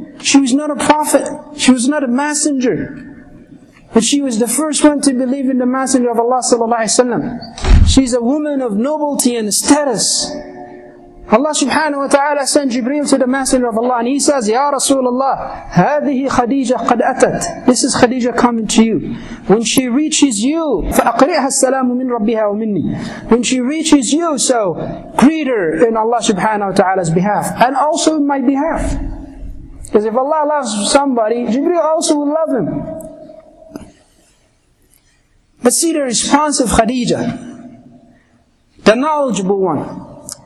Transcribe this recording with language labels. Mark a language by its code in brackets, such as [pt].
[en] She was not a prophet, she was not a messenger, but she was the first one to believe in the Messenger of Allah sallallahu alayhi wa sallam. She's a woman of nobility and status. Allah subhanahu wa ta'ala sent Jibreel to the Messenger of Allah, and he says, Ya Rasulullah, [ar] هذه خديجة قد أتت. [en] This is Khadija coming to you. When she reaches you, [ar] فأقرئها السلام من ربها ومني. [en] When she reaches you, so greet her in Allah subhanahu wa ta'ala's behalf, and also in my behalf. Because if Allah loves somebody, Jibreel also will love him. But see the response of Khadija, the knowledgeable one.